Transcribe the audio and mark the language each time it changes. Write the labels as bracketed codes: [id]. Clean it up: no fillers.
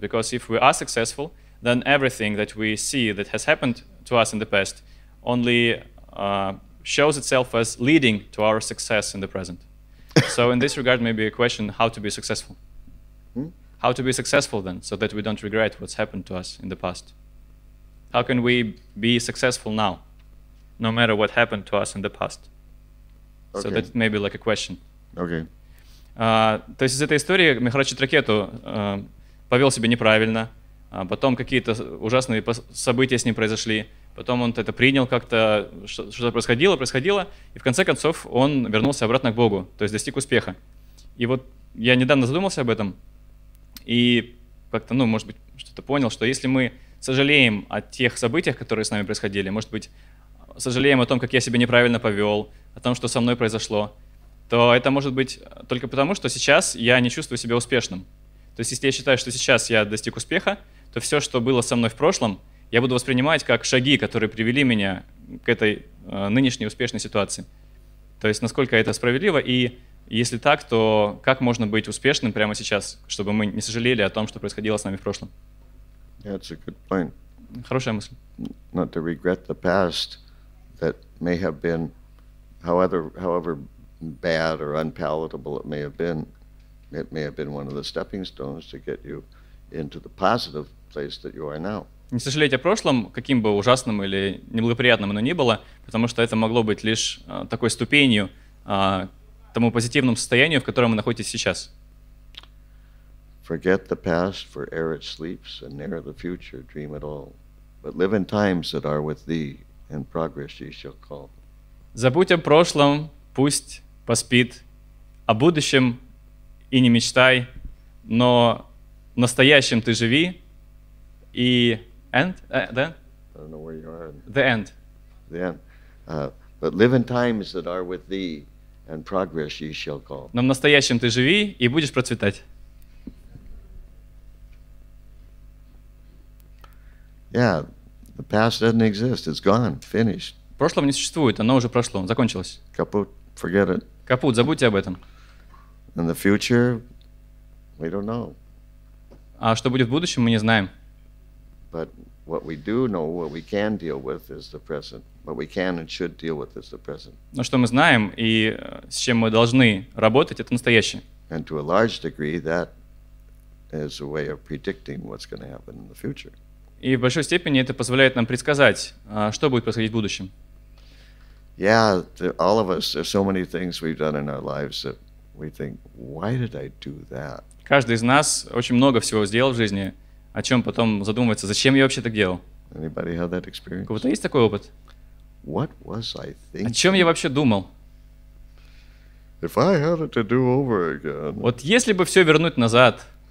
[en] Because if we are successful, then everything that we see that has happened to us in the past only shows itself as leading to our success in the present. So in this regard, maybe a question, how to be successful? Hmm? How to be successful then, so that we don't regret what's happened to us in the past? How can we be successful now, no matter what happened to us in the past? So okay. That may be like a question. Okay. [ru] То есть из этой истории Махарадж Читракету повел себя неправильно, потом какие-то ужасные события с ним произошли, потом он это принял как-то, что-то происходило, и в конце концов он вернулся обратно к Богу, то есть достиг успеха. И вот я недавно задумался об этом, и как-то, ну, может быть, что-то понял, что если мы сожалеем о тех событиях, которые с нами происходили, может быть, сожалеем о том, как я себя неправильно повел, о том, что со мной произошло, то это может быть только потому, что сейчас я не чувствую себя успешным. То есть если я считаю, что сейчас я достиг успеха, то все, что было со мной в прошлом, я буду воспринимать как шаги, которые привели меня к этой нынешней успешной ситуации. То есть насколько это справедливо, и если так, то как можно быть успешным прямо сейчас, чтобы мы не сожалели о том, что происходило с нами в прошлом? [en] That's a good point. [ru] Хорошая мысль. [en] Not to regret the past that may have been However bad or unpalatable it may have been one of the stepping stones to get you into the positive place that you are now. [ru] Не сожалеть о прошлом, каким бы ужасным или неблагоприятным оно ни было, потому что это могло быть лишь такой ступенью тому позитивному состоянию, в котором вы находитесь сейчас. [en] Forget the past, for ere it sleeps, and ne'er the future dream at all. But live in times that are with thee, and progress ye shall call. [ru] Забудь о прошлом, пусть поспит, о будущем и не мечтай, но в настоящем ты живи и... [en] And? The end? I don't know where you are. The end. The end. But live in times that are with thee, and progress ye shall call. [ru] Но в настоящем ты живи и будешь процветать. [en] Yeah, The past doesn't exist. It's gone. Finished. [ru] Прошлого не существует. Оно уже прошло. Закончилось. [en] Капут. Forget it. [ru] Капут. Забудьте об этом. [en] And the future, we don't know. [ru] А что будет в будущем, мы не знаем. [en] But what we do know, what we can deal with, is the present. What we can and should deal with is the present. [ru] Но что мы знаем и с чем мы должны работать, это настоящее. [en] And to a large degree, that is a way of predicting what's going to happen in the future. [ru] И в большой степени это позволяет нам предсказать, что будет происходить в будущем. [en] Yeah, all of us, there's so many things we've done in our lives that we think, why did I do that? [ru] Каждый из нас очень много всего сделал в жизни, о чем потом задумывается, зачем я вообще так делал? [en] Anybody have that experience? [ru] У кого-то есть такой опыт? [en] What was I thinking? [ru] О чем я вообще думал? [en] If I had it to do over again. [ru] Вот если бы все вернуть назад.